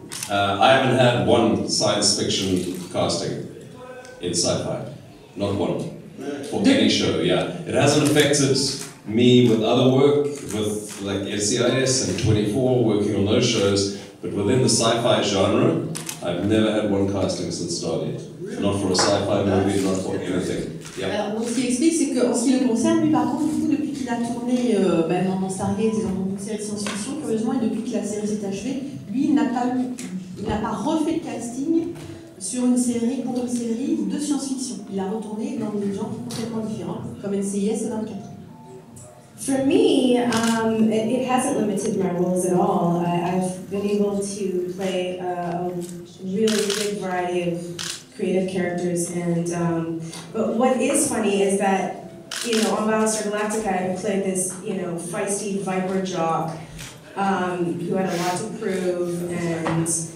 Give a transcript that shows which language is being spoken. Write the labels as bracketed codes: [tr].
[en] I haven't had one science fiction casting in sci-fi, not one, for any show, yeah. It hasn't affected me with other work, with like NCIS and 24, working on those shows, but within the sci-fi genre, I've never had one casting since Stargate. Not for a sci-fi movie, not for anything. Yeah. [fr] Alors, ce qui explique, c'est qu'en ce qui le concerne, lui, par contre, vous, depuis qu'il a tourné dans Stargate et dans une série de science-fiction, curieusement, et depuis que la série s'est achevée, lui, il n'a pas refait de casting sur une série, pour une série de science-fiction. Il a retourné dans des genres complètement différents, comme NCIS et 24. [en] For me, it hasn't limited my roles at all. I've been able to play a really big variety of creative characters, and but what is funny is that, you know, on Battlestar Galactica, I played this, you know, feisty viper jock who had a lot to prove, and